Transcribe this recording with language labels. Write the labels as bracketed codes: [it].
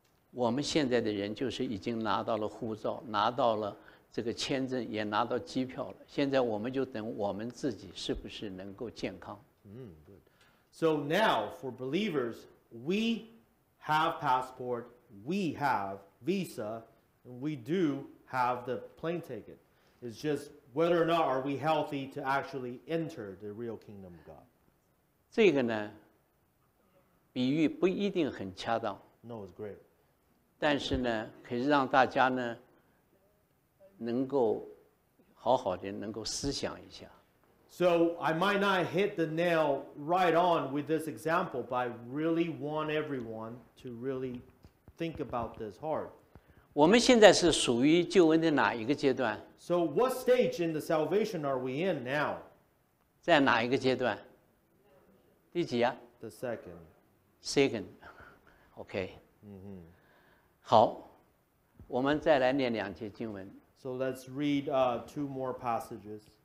[zh] 我们现在的人就是已经拿到了护照，拿到了这个签证，也拿到机票了。现在我们就等我们自己是不是能够健康。 [en] Good. So now for believers, we have passport, we have visa. We do have the plane ticket. It's just whether or not are we healthy to actually enter the real kingdom of God. [zh] 这个呢，比喻不一定很恰当。 [en] No, it's great. [zh] 但是呢，可以让大家呢，能够好好的能够思想一下。 [en] So I might not hit the nail right on with this example, but I really want everyone to really think about this hard. [zh] 我们现在是属于救恩的哪一个阶段 [en] ？So what stage in the salvation are we in now？ [zh] 在哪一个阶段？第几啊 [en] ？The second. Second. Okay. 嗯哼。 [zh] 好，我们再来念两节经文。 [en] So let's read two more passages.